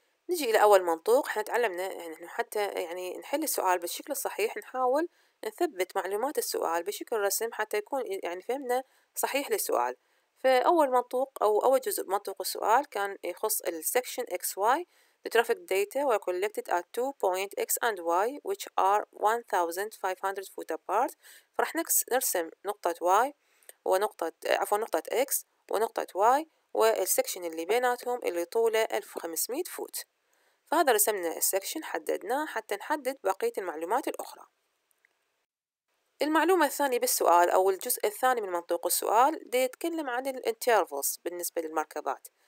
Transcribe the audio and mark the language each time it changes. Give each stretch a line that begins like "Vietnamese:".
Arabic: نجي إلى أول منطوق. إحنا تعلمنا إنه حتى يعني نحل السؤال بالشكل الصحيح نحاول نثبت معلومات السؤال بشكل رسم حتى يكون يعني فهمنا صحيح للسؤال. فأول منطوق أو أول جزء منطوق السؤال كان يخص الـ section XY.
English: The traffic data were collected at two point X and Y which are 1500 foot apart.
Arabic: فرح نرسم نقطة Y ونقطة نقطة X ونقطة Y والسكشن اللي بيناتهم اللي طوله 1500 فوت. فهذا رسمنا السكشن، حددناه حتى نحدد بقية المعلومات الأخرى. المعلومة الثانية بالسؤال أو الجزء الثاني من منطوق السؤال دي يتكلم عن الانترفلز بالنسبة للمركبات.